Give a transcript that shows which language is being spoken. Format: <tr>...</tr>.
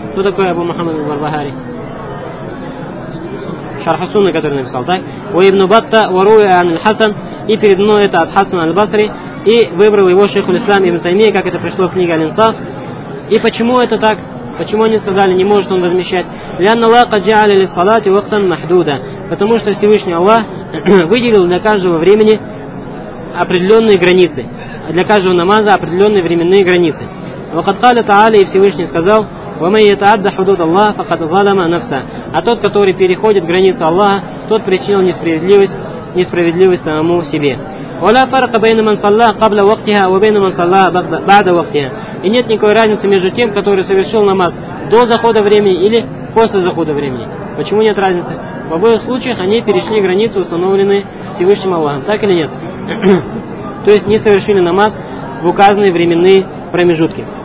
<ru>Кто такой Абу Мухаммад аль-Барбахари? Шархасуна, который написал, так? Уа ибн Батта, ва руя аль-Хасан. И перед мной это от Хасана аль-Басри. И выбрал его шейху ислам ибн Таймия, как это пришло в книге аль-Инсаф. И почему это так? Почему они сказали, не может он возмещать?</ru> <ar>لأن الله قد جعل للصلاة وقتا محدودا.</ar> <ru>Потому что Всевышний Аллах выделил для каждого времени определенные границы. Для каждого намаза определенные временные границы.</ru> <ar>وقد قال تعالى,</ar> <ru>и Всевышний сказал,</ru> <ar>ومن يتعدى حدود الله فقد ظلم نفسه.</ar> <ru>А тот, который переходит границу Аллаха, тот причинил несправедливость самому себе.</ru> <ar>ولا فرق بين من صلى قبل وقتها وبين من صلى بعد وقتها.</ar> <ru>И нет никакой разницы между тем, который совершил намаз до захода времени или после захода времени. Почему нет разницы? В обоих случаях они перешли границы, установленные Всевышним Аллахом. Так или нет? То есть не совершили намаз в указанные временные промежутки.</ru>